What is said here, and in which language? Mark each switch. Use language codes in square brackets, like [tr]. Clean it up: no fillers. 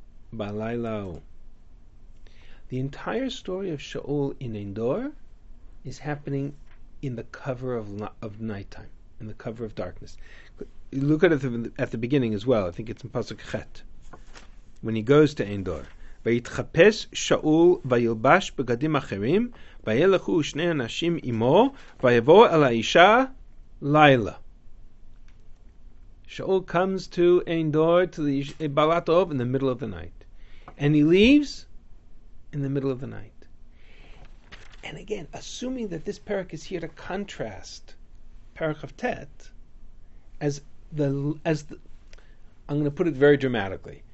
[en] The entire story of Shaul in Ein Dor is happening in the cover of nighttime, in the cover of darkness. Look at it at the beginning as well. I think it's in Pasuk Chet. When he goes to Ein Dor. [he] ויתחפש שאול וילבש בגדים אחרים וילכו שני אנשים עמו ויבואו אל האישה לילה. [en] Shaul comes to Ein Dor, to the Balat Ov, in the middle of the night, and he leaves in the middle of the night. And again, assuming that this parak is here to contrast parak of Tet as the I'm going to put it very dramatically.